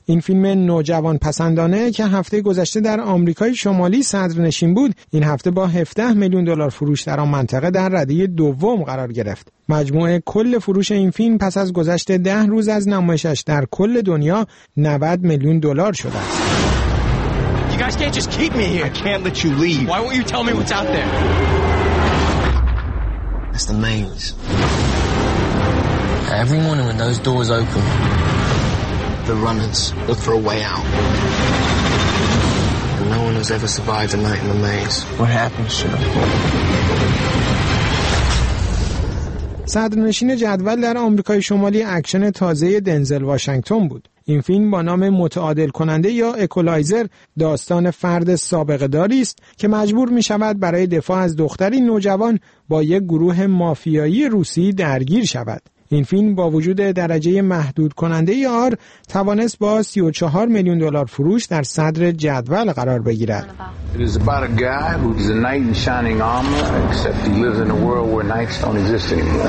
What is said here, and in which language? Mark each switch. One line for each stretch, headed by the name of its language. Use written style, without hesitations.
Persian: این فیلم نوجوان پسندانه که هفته گذشته در آمریکای شمالی صدرنشین بود، این هفته با 17 میلیون دلار فروش در آن منطقه در رده دوم قرار گرفت. مجموعه کل فروش این فیلم پس از گذشت 10 روز از نمایشش در کل دنیا 90 میلیون دلار شده است.
English: You guys can't just keep me here. I can't let you leave. Why won't you tell me what's out there? It's the mains. Every morning when those doors open, the runners look for a way out. And no one has ever survived a night in the maze. What happens, Sheriff?
Persian: صدرنشین جدول در آمریکای شمالی اکشن تازه دنزل واشنگتن بود. این فیلم با نام متعادل کننده یا اکولایزر داستان فرد سابقه داری است که مجبور می شود برای دفاع از دختری نوجوان با یک گروه مافیایی روسی درگیر شود. این فیلم با وجود درجه محدود کننده آر توانست با 34 میلیون دلار فروش در صدر جدول قرار بگیرد.
English: It is about a guy who is a knight in shining armor, except he lives in a world where knights don't exist anymore.